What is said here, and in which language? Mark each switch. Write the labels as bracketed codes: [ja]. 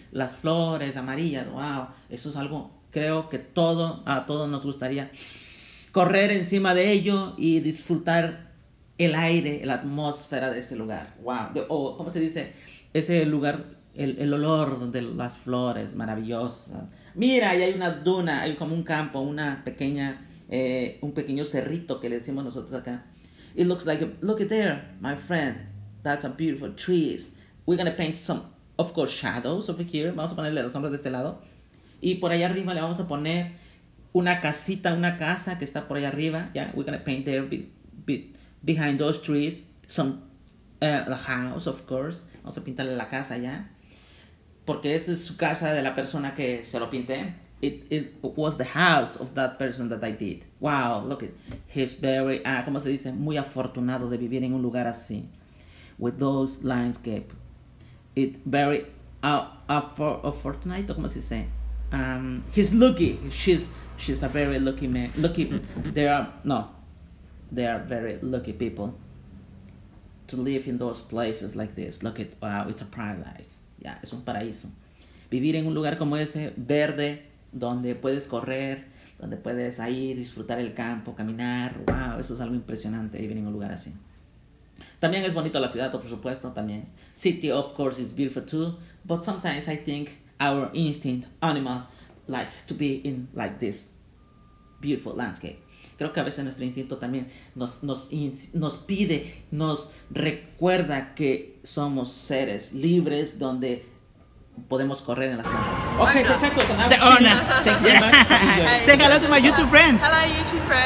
[es] Las flores amarillas. Wow. Eso es algo, creo que a todos nos gustaría correr encima de ello y disfrutar el aire, la atmósfera de ese lugar. Wow. ¿Cómo se dice? Ese lugar, el olor de las flores, maravillosa. Mira, ahí hay una duna, hay como un campo, una pequeña, un pequeño cerrito que le decimos nosotros acá. [en] It looks like, look at there, my friend. That's a beautiful trees. We're gonna paint some, of course, shadows over here. [es] Vamos a ponerle las sombras de este lado. Y por allá arriba le vamos a poner una casita, una casa que está por allá arriba. [en] Yeah, we're gonna paint there behind those trees, the house, of course. [es] Vamos a pintarle la casa allá. Porque esa es su casa de la persona que se lo pinté. [en] It was the house of that person that I did. Wow, look at. He's very, [es] ¿cómo se dice? Muy afortunado de vivir en un lugar así. [en] With those landscape. It very afortunado, [es] ¿cómo se dice? [en] He's lucky. She's a very lucky man. Lucky. They are very lucky people to live in those places like this. Look at, wow, it's a paradise. Yeah, [es] es un paraíso. Vivir en un lugar como ese, verde, donde puedes correr, donde puedes ahí disfrutar el campo, caminar. Wow, eso es algo impresionante, vivir en un lugar así. También es bonito la ciudad, por supuesto, también. [en] City, of course, is beautiful too. But sometimes I think our instinct, animal, like to be in like this beautiful landscape. [es] Creo que a veces nuestro instinto también nos pide, nos recuerda que somos seres libres donde podemos correr en las plantas. [en] Ok, perfecto. So the owner. Thank you very much. Say hello to my YouTube friends. Hello, YouTube friends.